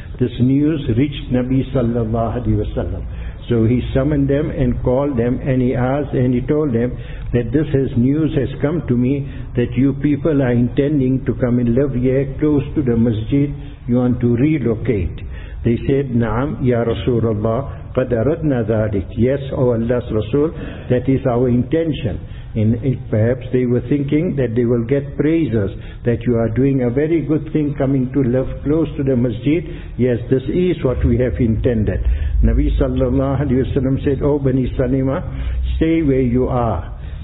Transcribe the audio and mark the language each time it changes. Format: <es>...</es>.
<en>This news reached Nabi صَلَّى اللَّهُ عَلَيْهِ وَسَلَّمَ. So he summoned them and called them and he asked and he told them that this news has come to me that you people are intending to come and live here close to the masjid, you want to relocate. They said,</en> <ar>نعم يا رسول الله قد أردنا ذلك.</ar> <en>Yes, O Allah's Rasul, that is our intention. In it, perhaps they were thinking that they will get praises, that you are doing a very good thing coming to live close to the masjid. Yes, this is what we have intended. Nabi sallallahu alayhi wa sallam said, O Bani Salima, stay where you are.</en>